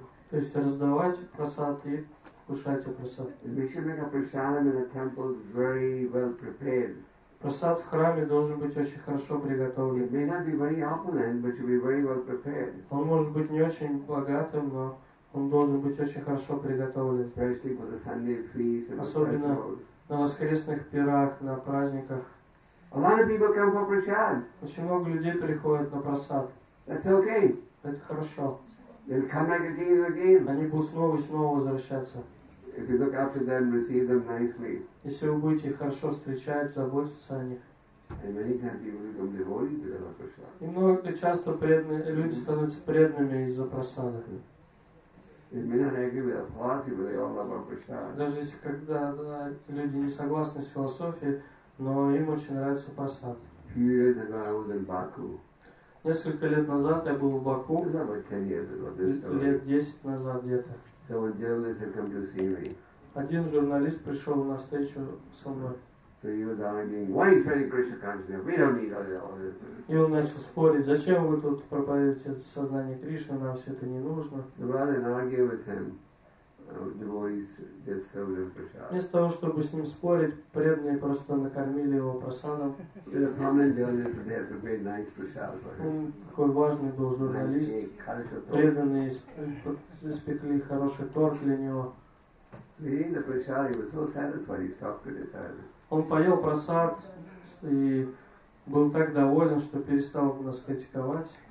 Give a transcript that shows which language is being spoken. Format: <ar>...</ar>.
<ru>То есть раздавать просад и кушайте прасад.</ru> <en>We should make a prasadam in a temple very well prepared.</en> <ru>Прасад в храме должен быть очень хорошо приготовлен.</ru> <en>It may not be very opulent, but should be very well prepared.</en> <ru>Он может быть не очень богатым, но он должен быть очень хорошо приготовлен.</ru> <en>Especially for the Sunday feast and</en> <ru>особенно на воскресных пирах, на праздниках.</ru> <en>A lot of people come for prasad.</en> <ru>Очень много людей приходят на прасад.</ru> <en>That's okay.</en> <ru>Это хорошо.</ru> <en>They'll come back again and again.</en> <ru>Они будут снова и снова возвращаться.</ru> <en>If you look after them, receive them nicely.</en> <ru>Если вы будете их хорошо встречать, заботиться о них.</ru> <en>And many times people become devoted because of prasad.</en> <ru>И много часто преданные люди становятся преданными из-за прасада.</ru> <en>They may not agree with the philosophy, but they all love our prasad.</en> <ru>Даже если когда люди не согласны с философией, но им очень нравится прасад.</ru> <en>A few years ago I was in Baku.</en> <ru>Несколько лет назад я был в Баку. Лет 10 назад где-то.</ru> <en>So a journalist had come to see me.</en> <ru>Один журналист пришел на встречу со мной.</ru> <en>So he was arguing, why is Hare Krishna consciousness? We don't need all this.</en> <ru>И он начал спорить, зачем вы тут проповедуете сознание Кришны, нам все это не нужно.</ru> <en>So rather than argue with him, devotees just served him prasad.</en> <ru>Вместо того, чтобы с ним спорить, преданные просто накормили его прасадом.</ru> <en>The prominent journalist there prepared nice prasad for him.</en> <ru>Какой важный был журналист. Преданные испекли хороший торт для него.</ru> <en>So eating the prasad, he was so satisfied, he stopped criticizing.</en> <ru>Он поел прасад и был так доволен, что перестал нас критиковать.</ru>